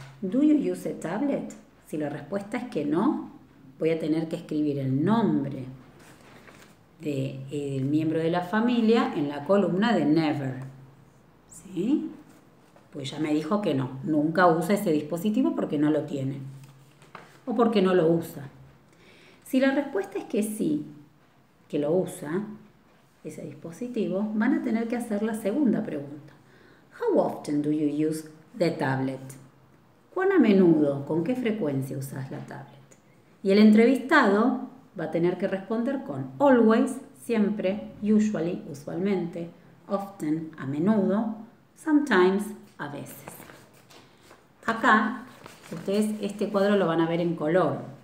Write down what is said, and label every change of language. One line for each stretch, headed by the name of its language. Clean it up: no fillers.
English: Do you use a tablet?
Spanish: Si la respuesta es que no, voy a tener que escribir el nombre del miembro de la familia en la columna de never. ¿Sí? Pues ya me dijo que no, nunca usa ese dispositivo porque no lo tiene o porque no lo usa. Si la respuesta es que sí, que lo usa ese dispositivo, van a tener que hacer la segunda pregunta.
English: How often do you use the tablet?
Spanish: ¿Cuán a menudo, con qué frecuencia usas la tablet? Y el entrevistado va a tener que responder con always, siempre, usually, usualmente, often, a menudo, sometimes, a veces. Acá, ustedes este cuadro lo van a ver en color.